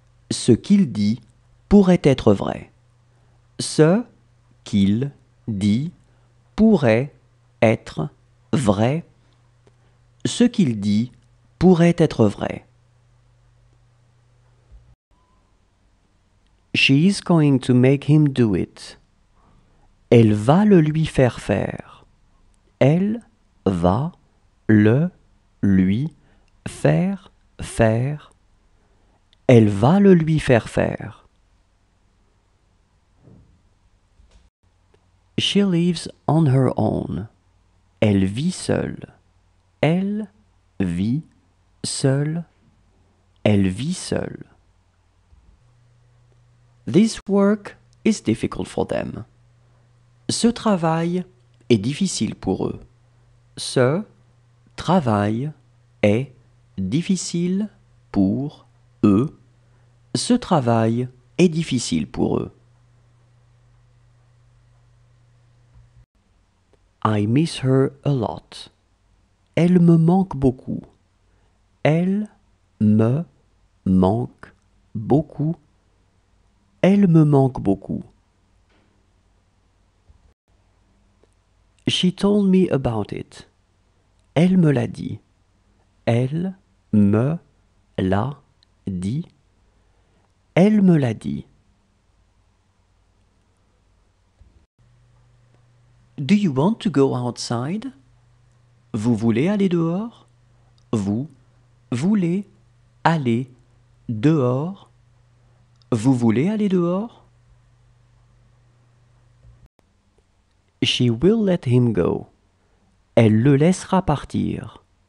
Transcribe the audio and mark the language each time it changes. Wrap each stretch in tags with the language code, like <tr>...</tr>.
<fr>Ce qu'il dit pourrait être vrai. Ce qu'il dit pourrait être vrai. Ce qu'il dit pourrait être vrai.</fr> <en>She is going to make him do it.</en> <fr>Elle va le lui faire faire. Elle va le lui faire faire. Elle va le lui faire faire.</fr> <en>She lives on her own.</en> <fr>Elle vit seule. Elle vit seule. Elle vit seule.</fr> <en>This work is difficult for them.</en> <fr>Ce travail est difficile pour eux. Ce travail est difficile pour eux. Ce travail est difficile pour eux.</fr> <en>I miss her a lot.</en> <fr>Elle me manque beaucoup. Elle me manque beaucoup. Elle me manque beaucoup.</fr> <en>She told me about it.</en> <fr>Elle me l'a dit. Elle me l'a dit. Elle me l'a dit.</fr> <en>Do you want to go outside?</en> <fr>Vous voulez aller dehors? Vous voulez aller dehors? Vous voulez aller dehors?</fr> <en>She will let him go.</en> <fr>Elle le laissera partir.</fr>